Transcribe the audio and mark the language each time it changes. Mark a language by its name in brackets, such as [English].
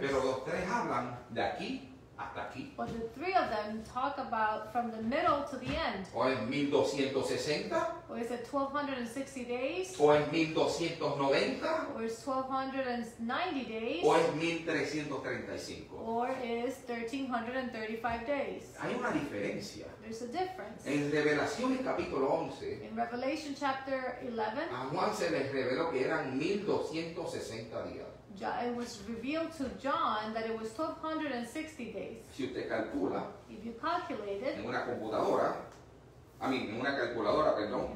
[Spanish] Pero los tres hablan de aquí hasta aquí. [English] But the three of them talk about from the middle to the end. [Spanish] O es 1260. [English] Or is it 1260 days? [Spanish] O es 1290. [English] Or is 1290 days? [Spanish] O es 1335. [English] Or is 1335 days? [Spanish] Hay una diferencia. [English] There's a difference. [Spanish] En Revelación capítulo 11. [English] In Revelation chapter 11. [Spanish] A Juan se les reveló que eran 1260 días. [English] It was revealed to John that it was 1260 days. [Spanish] Si usted calcula, [English] if you calculate it, [Spanish] en una computadora, [English] I mean, [Spanish] en una calculadora, perdón,